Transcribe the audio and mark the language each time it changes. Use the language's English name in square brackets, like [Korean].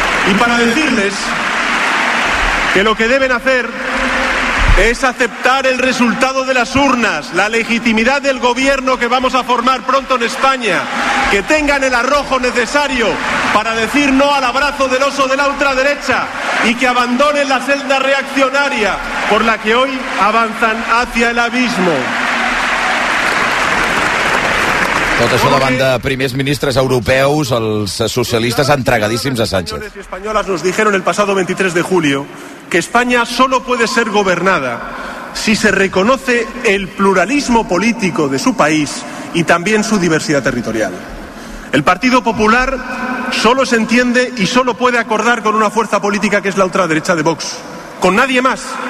[Spanish] Y para decirles que lo que deben hacer es aceptar el resultado de las urnas, la legitimidad del gobierno que vamos a formar pronto en España, que tengan el arrojo necesario para decir no al abrazo del oso de la ultraderecha y que abandonen la celda reaccionaria por la que hoy avanzan hacia el abismo. [Catalan] Tot això davant de primers ministres europeus, els socialistes entregadíssims a Sánchez. [Spanish] Los españoles nos dijeron el pasado 23 de julio que España solo puede ser gobernada si se reconoce el pluralismo político de su país y también su diversidad territorial. El Partido Popular solo se entiende y solo puede acordar con una fuerza política que es la ultraderecha de Vox, con nadie más.